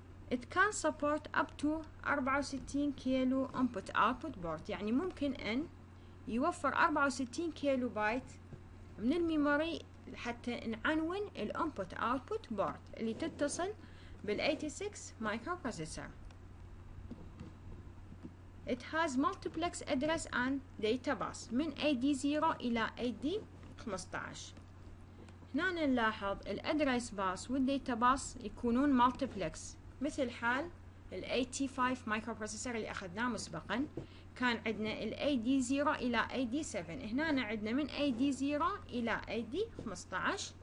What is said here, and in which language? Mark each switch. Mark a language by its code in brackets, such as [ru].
[en] It can support up to 64 [ar] كيلو input output port، يعني ممكن ان يوفر 64 كيلو بايت من الميموري حتى نعنون ال input output port اللي تتصل بال 86 microprocessor. [en] It has multiplex address and data bus [ar] من AD0 الى AD15. هنا نلاحظ الادرس باس والديتا باس يكونون مالتيبلكس، مثل حال ال 85 مايكرو بروسيسور اللي اخذناه مسبقا، كان عندنا ال AD0 الى AD7، هنا عندنا من AD0 الى AD15.